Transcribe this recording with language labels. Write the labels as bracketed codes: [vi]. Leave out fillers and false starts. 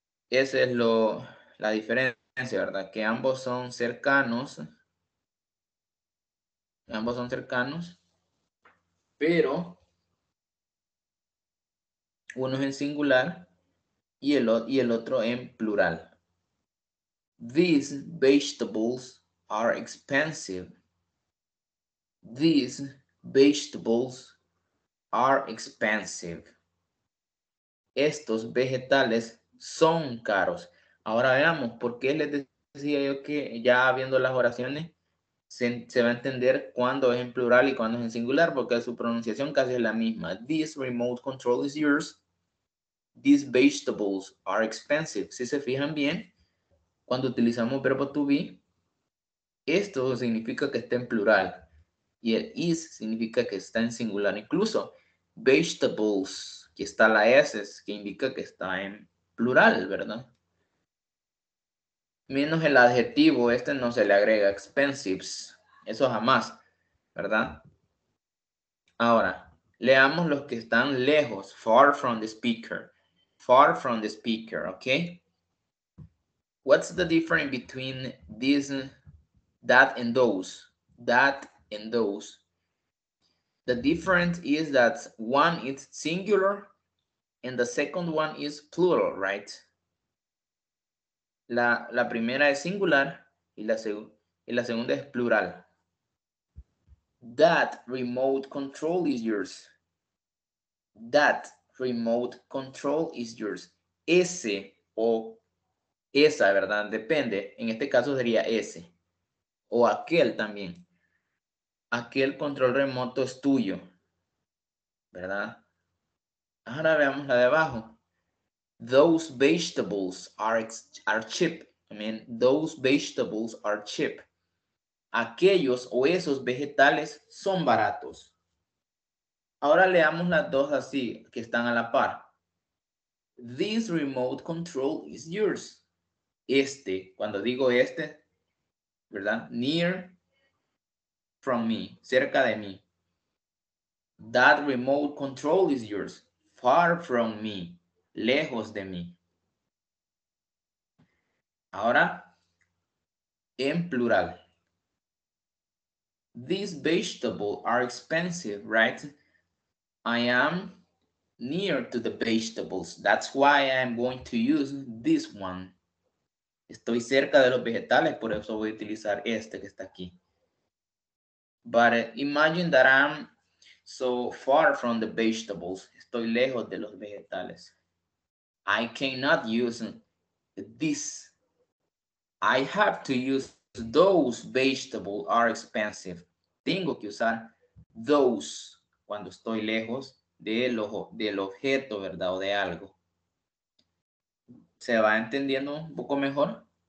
[es] Esa es la diferencia, ¿verdad? Que ambos son cercanos. Ambos son cercanos. Pero uno es en singular y el otro en plural. [en] These vegetables are expensive. These vegetables are expensive. [es] Estos vegetales son caros. Ahora veamos por qué les decía yo que ya viendo las oraciones se va a entender cuándo es en plural y cuándo es en singular, porque su pronunciación casi es la misma. [en] This remote control is yours. These vegetables are expensive. [es] Si se fijan bien, cuando utilizamos verbo to be, esto significa que está en plural. Y el is significa que está en singular. Incluso vegetables, que está la S, que indica que está en plural, ¿verdad? Menos el adjetivo, este no se le agrega, expensives. Eso jamás, ¿verdad? Ahora, leamos los que están lejos, [en] far from the speaker. Far from the speaker, ¿ok? What's the difference between this, that and those? That and those. The difference is that one is singular and the second one is plural, right? [es] La primera es singular y la segunda es plural. [en] That remote control is yours. That remote control is yours. [es] Ese o esa, ¿verdad? Depende. En este caso sería ese. O aquel también. Aquel control remoto es tuyo. ¿Verdad? Ahora veamos la de abajo. [en] Those vegetables are cheap. I mean, those vegetables are cheap. [es] Aquellos o esos vegetales son baratos. Ahora leamos las dos así, que están a la par. [en] This remote control is yours. [es] Este, cuando digo este, ¿verdad? [en] Near from me, [es] cerca de mí. [en] That remote control is yours. Far from me, [es] lejos de mí. Ahora, en plural. [en] These vegetables are expensive, right? I am near to the vegetables. That's why I am going to use this one. [es] Estoy cerca de los vegetales, por eso voy a utilizar este que está aquí. [en] But imagine that I'm so far from the vegetables. [es] Estoy lejos de los vegetales. [en] I cannot use this. I have to use those vegetables are expensive. [es] Tengo que usar those cuando estoy lejos del objeto, ¿verdad? O de algo. ¿Se va entendiendo un poco mejor?